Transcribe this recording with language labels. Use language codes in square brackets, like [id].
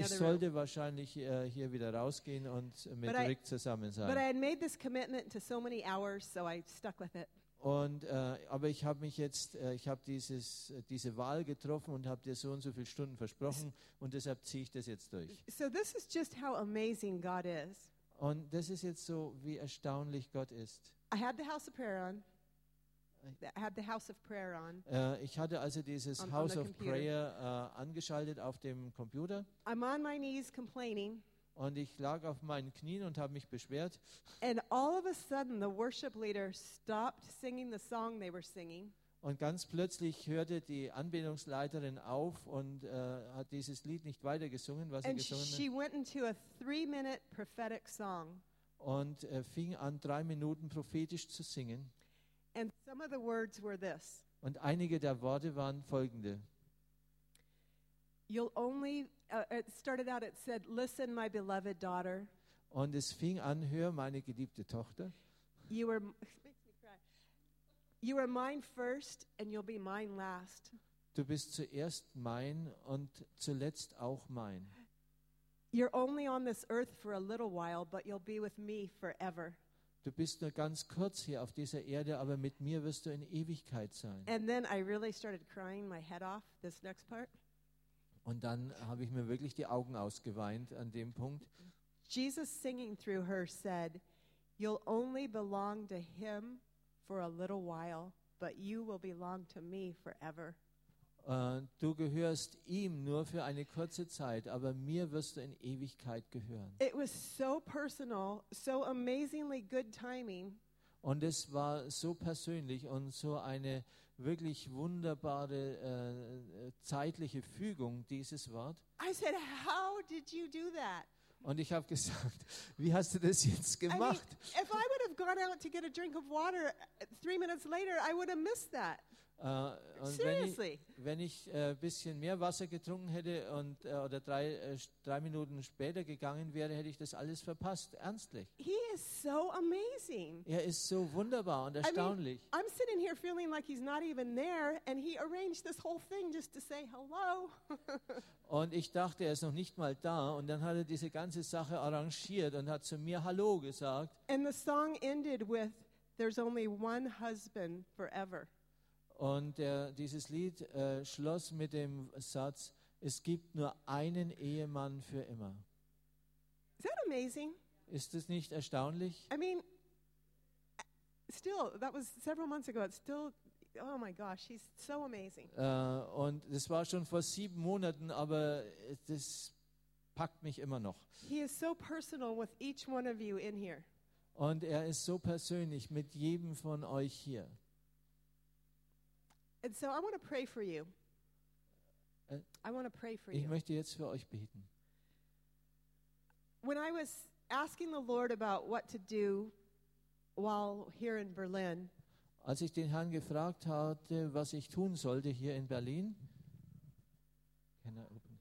[de] Ich sollte wahrscheinlich hier wieder rausgehen und mit Rick zusammen sein. [en] But I had made this commitment to so many hours, so I stuck with it. [de] Und aber ich habe mich jetzt, ich habe diese Wahl getroffen und habe dir so und so viele Stunden versprochen und deshalb ziehe ich das jetzt durch. [en] So this is just how amazing God is. [de] Und das ist jetzt so, wie erstaunlich Gott ist. [en] I had the house of prayer on. I had the house of prayer on. [de] Ich hatte also dieses House of Prayer angeschaltet auf dem Computer. [en] I'm on my knees complaining. [de] Und ich lag auf meinen Knien und habe mich beschwert. [en] And all of a sudden the worship leader stopped singing the song they were singing. [de] Und ganz plötzlich hörte die Anbetungsleiterin auf und hat dieses Lied nicht weiter gesungen, was [en] and [de] sie gesungen hat. [en] She went into a 3-minute prophetic song. [de] Und fing an, 3 Minuten prophetisch zu singen. [en] And some of the words were this. [de] Und einige der Worte waren folgende. [en] You'll only it started out, it said, listen, my beloved daughter. [de] Und es fing an, hör, meine geliebte Tochter. [en] You are mine first and you'll be mine last. [de] Du bist zuerst mein und zuletzt auch mein. [en] You're only on this earth for a little while, but you'll be with me forever. [de] Du bist nur ganz kurz hier auf dieser Erde, aber mit mir wirst du in Ewigkeit sein. [en] And then I really started crying my head off, this next part. [de] Und dann habe ich mir wirklich die Augen ausgeweint an dem Punkt. [en] Jesus singing through her said, You'll only belong to him for a little while, but you will belong to me forever. [de] Du gehörst ihm nur für eine kurze Zeit, aber mir wirst du in Ewigkeit gehören. [en] It was so personal, so amazingly good timing. [de] Und es war so persönlich und so eine wirklich wunderbare zeitliche Fügung, dieses Wort. [en] I said, how did you do that? [de] Und ich habe gesagt, wie hast du das jetzt gemacht? [en] I mean, if I would have gone out to get a drink of water 3 minutes later, I would have missed that. Seriously. [de] Wenn ich ein bisschen mehr Wasser getrunken hätte und oder drei Minuten später gegangen wäre, hätte ich das alles verpasst. Ernstlich. [en] He is so amazing. [de] Er ist so wunderbar und erstaunlich. [en] I mean, I'm sitting here feeling like he's not even there, and he arranged this whole thing just to say hello. [de] Und ich dachte, er ist noch nicht mal da, und dann hat er diese ganze Sache arrangiert und hat zu mir Hallo gesagt. [en] And the song ended with "There's only one husband forever." [de] Und dieses Lied schloss mit dem Satz, es gibt nur einen Ehemann für immer. [en] Is that amazing? [de] Ist das nicht erstaunlich? [en] I mean, still, that was several months ago. It's still, oh my gosh, he's so amazing. [de] Und das war schon vor 7 Monaten, aber das packt mich immer noch. [en] He is so personal with each one of you in here. [de] Und er ist so persönlich mit jedem von euch hier. [en] And so I want to pray for you. I want to pray for you. [de] Ich möchte jetzt für euch beten. [en] When I was asking the Lord about what to do while here in Berlin, [de] als ich den Herrn gefragt hatte, was ich tun sollte hier in Berlin, [en] can I open?